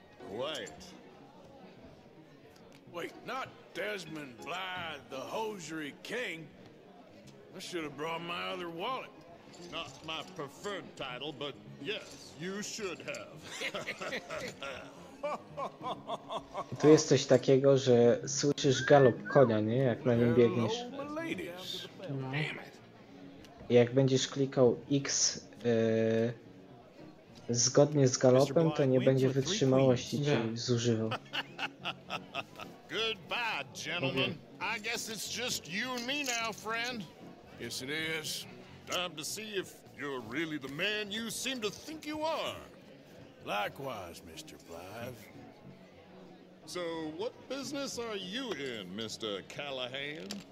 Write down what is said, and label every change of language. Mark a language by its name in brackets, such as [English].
[English] Quiet. Wait, not Desmond Blythe, the hosiery king. I should have brought my other wallet. Not my preferred title, but yes, you should have. [Polish] Tu jest coś takiego, że słyszysz galop konia, nie? Jak na nim biegniesz. Jak będziesz klikał X zgodnie z galopem, to nie będzie wytrzymałości, czyli zużywał. [English] Goodbye, gentlemen. I guess it's just you and me now, friend. Yes, it is. Time to see if you're really the man you seem to think you are. Likewise, Mr. Blythe. So, what business are you in, Mr. Callahan?